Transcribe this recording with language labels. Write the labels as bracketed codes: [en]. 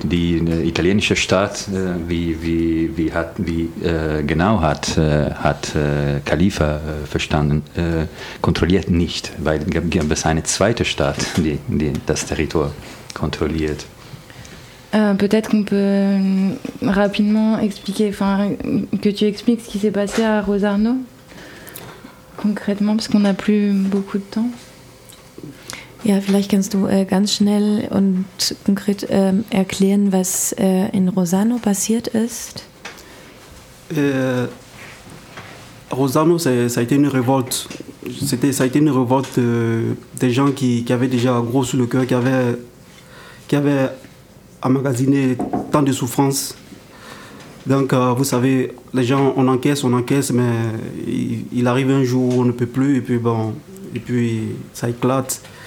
[de] Die italienische Staat, hat Khalifa verstanden, kontrolliert nicht, weil gab es eine zweite Staat, die das Territorium kontrolliert. [fr] Peut-être qu'on peut rapidement expliquer, enfin, que tu expliques ce qui s'est passé à Rosarno, concrètement, parce qu'on n'a plus beaucoup de temps. [de] Ja, vielleicht kannst du ganz schnell und konkret erklären, was in Rosano passiert ist. [fr] Rosano, ça a été une révolte. Ça a été une révolte des gens qui avaient déjà gros sous le cœur, qui avaient emmagasiné tant de souffrances. Donc, vous savez, les gens, on encaisse, mais il arrive un jour où on ne peut plus, et puis ça éclate.